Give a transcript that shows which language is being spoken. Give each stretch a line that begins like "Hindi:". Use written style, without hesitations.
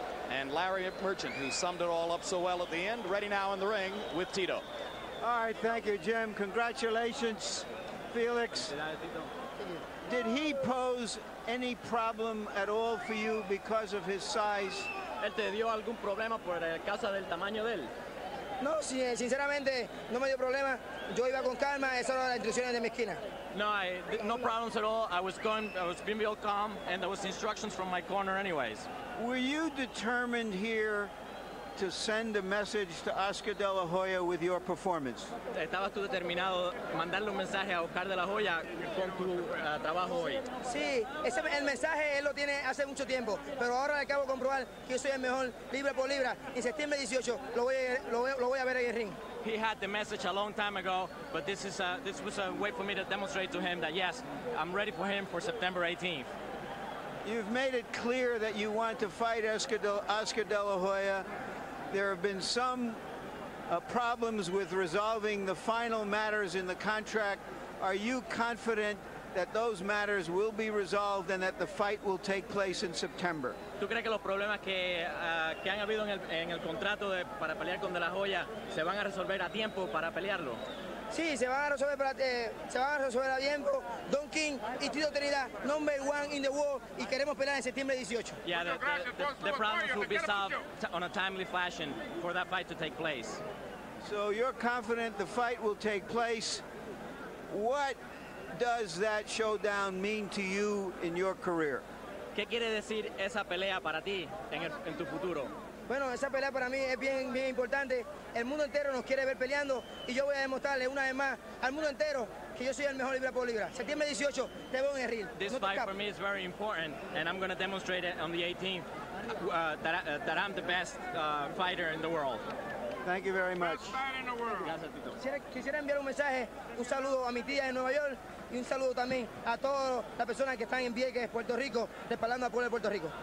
English: And Larry Merchant, who summed it all up so well at the end, ready now in the ring with Tito. All right, thank you, Jim. Congratulations, Felix. Did he pose any problem at all for you because of his size?
Spanish: ¿Él te dio algún problema por causa del tamaño de él? No, sinceramente, no me dio problema. Yo iba con calma, esas eran las instrucciones de mi esquina.
English: No, no problems at all. I was being real calm, and there was instructions from my corner anyways. Were you determined here to send a message to Oscar De La Hoya with your performance?
Spanish: ¿Estabas tú determinado mandarle un mensaje a Oscar De La Hoya con tu trabajo hoy? Sí, ese el mensaje él lo tiene hace mucho tiempo, pero ahora le acabo de comprobar que yo soy el mejor libra por libra. En septiembre 18 lo voy a ver en el ring.
English: He had the message a long time ago, but this was a way for me to demonstrate to him that yes, I'm ready for him for September 18th. You've made it clear that you want to fight Oscar De La Hoya. There have been some problems with resolving the final matters in the contract. Are you confident that those matters will be resolved and that the fight will take place in September?
Spanish: ¿Tú crees que los problemas que han habido en el contrato para pelear con De La Hoya se van a resolver a tiempo para pelearlo? Sí, se van a resolver a tiempo. Don King y Tito Trinidad,
English: number one in the world,
Spanish: y queremos pelear en septiembre 18.
English: Yeah, the problems will be solved on a timely fashion for that fight to take place. So you're confident the fight will take place. What does that showdown mean to you in your career?
Spanish: ¿Qué quiere decir esa pelea para ti en tu futuro? Bueno, esa pelea para mí es bien, bien importante. El mundo entero nos quiere ver peleando y yo voy a demostrarle una vez más al mundo entero que yo soy el mejor libra por libra. Septiembre 18, te veo en el ring.
English: This fight for me is very important and I'm going to demonstrate it on the 18th that I'm the best fighter in the world. Thank you very much. Best fighter in the world.
Spanish: Gracias, Tito. Quisiera enviar un mensaje, un saludo a mi tía en Nueva York. Y un saludo también a todas las personas que están en Vieques, Puerto Rico, respaldando al pueblo de Puerto Rico.